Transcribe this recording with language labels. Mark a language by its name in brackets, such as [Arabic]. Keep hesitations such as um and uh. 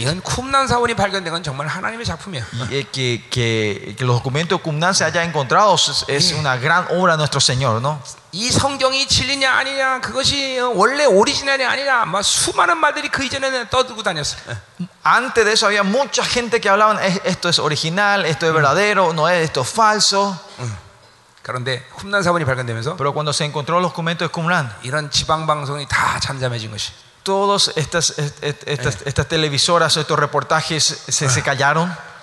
[Korean] 이건 쿰난 사원이 발견된 건 정말 하나님의 작품이에요. [Spanish] Que, que, que, que los documentos cumnan se haya encontrado es, es una gran obra de nuestro Señor, ¿no? [Korean] 이 성경이 진리냐 아니냐 그것이 원래 오리지널이 아니라 막 수많은 말들이 그 이전에는 떠들고 다녔어. [Spanish] Antes de eso había mucha gente que hablaban esto es original, esto es verdadero, no es esto es falso. [Korean] 그런데 훈난 사본이 발견되면서 그리고 [Spanish] cuando se encontró los documentos de Qumran [Korean] 이런 지방 방송이 다 잠잠해진 것이 [Spanish] todas estas estas, estas, sí. estas, estas, televisoras, estos reportajes se, ah. se callaron.